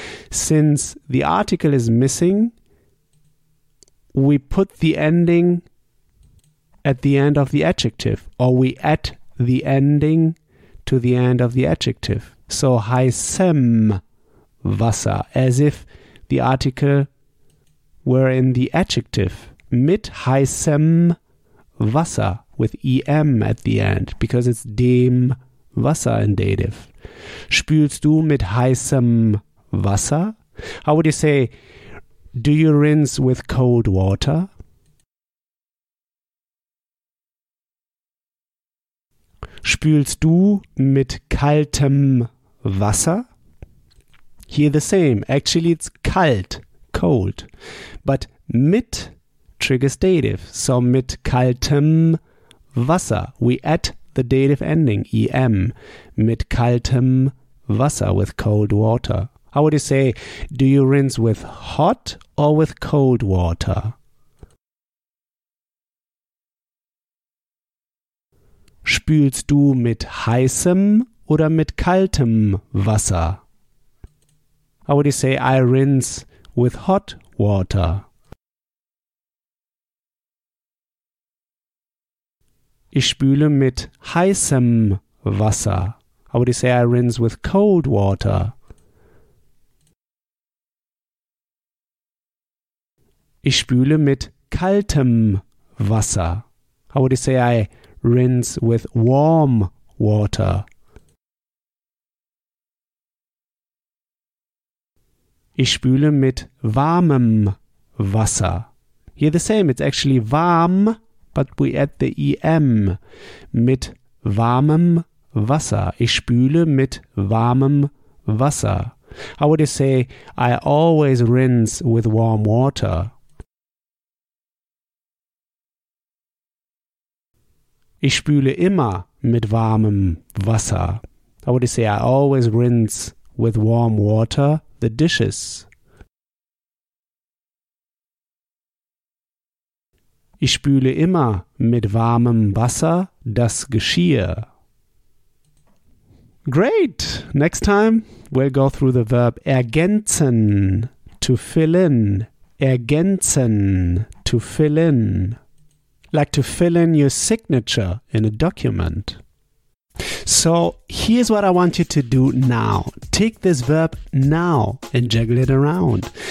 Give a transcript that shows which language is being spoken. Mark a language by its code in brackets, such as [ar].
[en] Since the article is missing, we put the ending at the end of the adjective, or we add the ending to the end of the adjective. [de] So heißem Wasser, [en] as if the article were in the adjective. [de] Mit heißem Wasser, [en] with em at the end, because it's [de] dem Wasser [en] in dative. [de] Spülst du mit heißem Wasser? [en] How would you say, do you rinse with cold water? [de] Spülst du mit kaltem Wasser? [en] Here the same. Actually, it's kalt, cold. But mit triggers dative. So [de] mit kaltem Wasser. [en] We add the dative ending, em. [de] Mit kaltem Wasser, [en] with cold water. How would you say, do you rinse with hot or with cold water? [de] Spülst du mit heißem oder mit kaltem Wasser? [en] How would you say, I rinse with hot water? [de] Ich spüle mit heißem Wasser. [en] How would you say, I rinse with cold water? [de] Ich spüle mit kaltem Wasser. [en] How would you say, I rinse with warm water? [de] Ich spüle mit warmem Wasser. [en] Here the same, it's actually warm, but we add the em. [de] Mit warmem Wasser. Ich spüle mit warmem Wasser. [en] How would you say, I always rinse with warm water? [de] Ich spüle immer mit warmem Wasser. [en] How would you say, I always rinse with warm water the dishes? [de] Ich spüle immer mit warmem Wasser das Geschirr. [en] Great! Next time we'll go through the verb ergänzen, to fill in. Ergänzen, to fill in. Like to fill in your signature in a document. So here's what I want you to do now. Take this verb now and juggle it around.